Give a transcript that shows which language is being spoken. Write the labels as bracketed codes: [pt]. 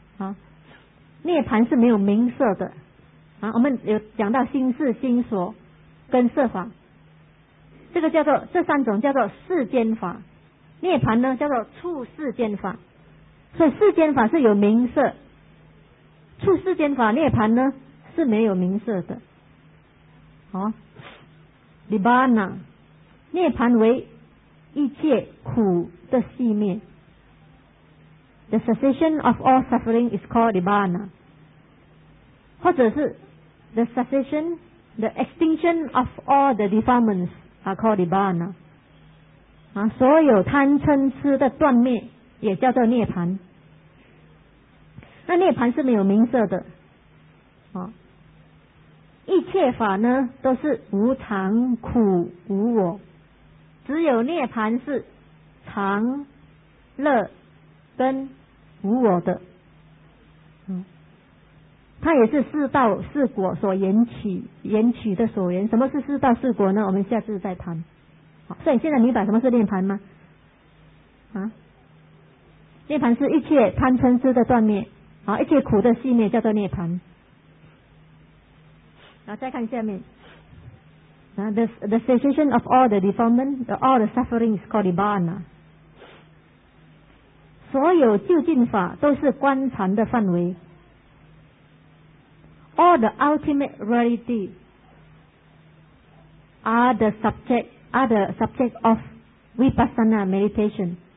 [zh] 啊，涅槃是没有名色的。啊，我们有讲到心是心所跟色法，这个叫做，这三种叫做世间法，涅槃呢叫做处世间法。所以世间法是有名色，处世间法涅槃呢是没有名色的。好，涅槃啊，涅槃为一切苦的熄灭。 [en] The cessation of all suffering is called 涅槃， [zh] 或者是 [en] The cessationThe extinction of all the defilements are called Nibbana。 [zh] 啊，所有贪嗔痴的断灭也叫做涅槃。那涅槃是没有名色的。啊，一切法呢都是无常苦无我，只有涅槃是常乐跟无我的。它也是四道四果所缘起的所缘。什么是四道四果呢？我们下次再谈。好，所以现在明白什么是涅槃吗？啊，涅槃是一切贪嗔痴的断灭，好，一切苦的熄灭，叫做涅槃。然后再看下面，啊 [en] ，the cessation of all the defilement, all the suffering is called Nibbana。 [zh] 所有究竟法都是观禅的范围。 [en] All the ultimate reality are the subject, are the subject of vipassana meditation.